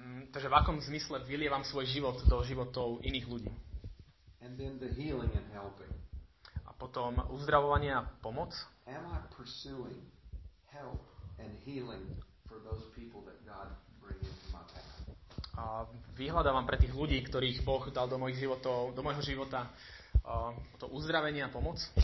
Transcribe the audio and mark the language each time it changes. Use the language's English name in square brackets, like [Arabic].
[Slovak] Takže v akom zmysle vylievam svoj život do životov iných ľudí? [English] And then the healing and helping. [Slovak] A potom uzdravovanie a pomoc? [English] Am I pursuing help and healing for those people that God brings into my path? [Slovak] A vyhľadávam pre tých ľudí, ktorých Boh dal do mojho života, to uzdravenie a pomoc?